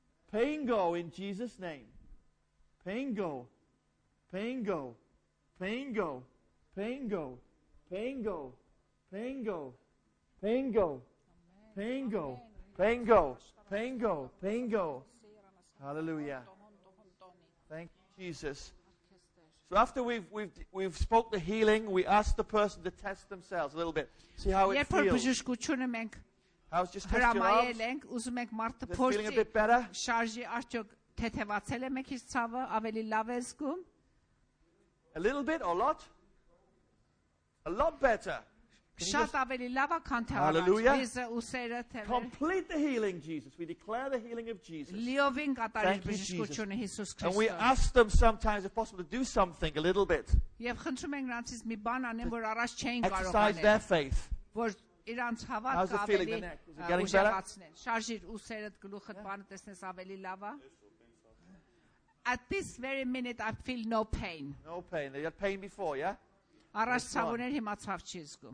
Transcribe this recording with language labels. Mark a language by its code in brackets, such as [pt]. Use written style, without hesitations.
[en] Pain go in Jesus' name. Pain go. Pain go. Pain go. Pain go. Pain go. Pain go. Pain go. Pain go. Pain go. Pain go. Pain go. Hallelujah. Thank you, Jesus. So after we've spoke the healing, we ask the person to test themselves a little bit. See how it feels. How's just testing out? Is it feeling a bit better? [hy] Շարժի արդյոք թեթևացել է մեկ ցավը, ավելի լավ է զգում? [en] A little bit or a lot? A lot better. [hy] Շատ ավելի լավ է, քան թե առաջ. [en] Complete the healing, Jesus. We declare the healing of Jesus. [hy] Լիովին կատարեք բժշկությունը Հիսուս Քրիստոս. [en] And we ask them sometimes if possible to do something a little bit. [hy] Եվ խնդրում ենք նրանցից մի բան անեն, որ առաջ չէին կարողանալ. [en] Exercise their faith. How's the feeling in the neck? Is it getting better? [hy] Շարժիր ուսերդ, գլուխդ, բանը տեսնես ավելի լավ է? [en] At this very minute, I feel no pain. No pain. You had pain before, yeah? [hy] Առաջ ցավուներ, հիմա ցավ չի զգում.